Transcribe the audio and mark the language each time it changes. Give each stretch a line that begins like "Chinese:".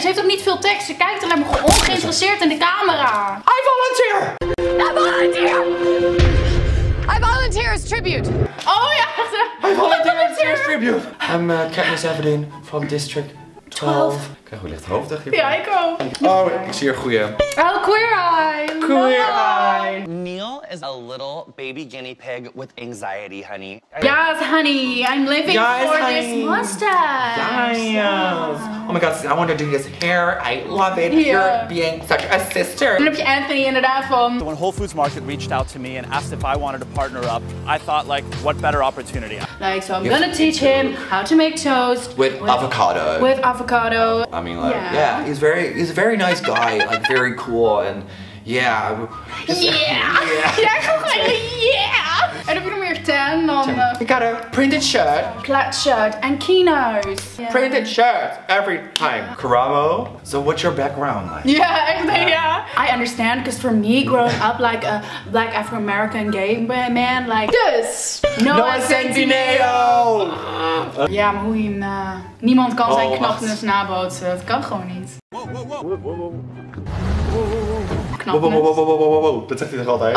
Dutch: Ze heeft ook niet veel tekst. Ze kijkt alleen maar ongeïnteresseerd in de camera.
English: I volunteer as tribute.
Dutch: Oh ja.
English: I volunteer as tribute. I'm Katniss Everdeen from District 12.
Dutch: Ik krijg een licht hoofd, dacht je? Ja, ik ook. Oh, ik zie er goeie.
English: Oh, queer eye. Queer eye. Neil is a little baby guinea pig with anxiety, honey. Yes, honey. I'm living for this mustache. Yes. Yeah. Oh my god, I want to do his hair. I love it. Yeah. You're being such a sister.
Dutch: Dan heb je Anthony in het iPhone.
English: So when Whole Foods Market reached out to me and asked if I wanted to partner up, I thought, like, what better opportunity? Like, so I'm gonna teach him how to make toast. With avocado. I mean, like, yeah, he's a very nice guy, like, very cool, and yeah. Yeah! And if you're more tan, then... We got a printed shirt. Plaid shirt and kinos. Yeah. Printed shirt every time. Yeah. Karamo, so what's your background like? Yeah. I understand, because for me, growing up like a black Afro-American gay man, like this. Noah Centineo!
Dutch: Ja, maar hoe je hem... Niemand kan zijn knapnes nabootsen. Dat kan gewoon niet.
English: Whoa.
Dutch: Dat zegt hij toch altijd?